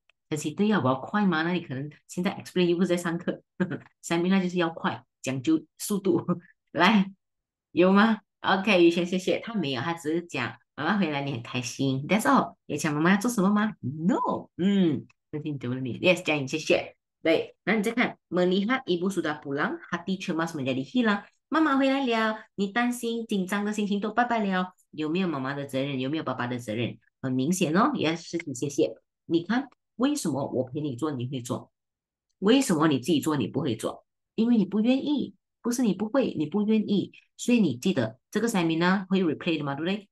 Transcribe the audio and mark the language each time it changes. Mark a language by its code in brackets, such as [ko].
[zh] 而且对呀、啊，我要快吗？那你可能现在 explain 又不是在上课，三明那就是要快，讲究速度。来，有吗？OK，雨轩，谢谢。他没有，他只是讲妈妈回来你很开心。 [en] That's all。 [zh] 也想妈妈要做什么吗？No。那听懂了你？Yes，佳颖，谢谢。对，那你再看， [ms] melihat ibu sudah pulang, hati cemas menjadi hilang。 [zh] 妈妈回来了，你担心、紧张的心情都拜拜了。有没有妈妈的责任？有没有爸爸的责任？很明显哦，Yes，谢谢。你看，为什么我陪你做你会做？为什么你自己做你不会做？因为你不愿意，不是你不会，你不愿意。所以你记得这个 seminar 会 replay 的嘛，对不对？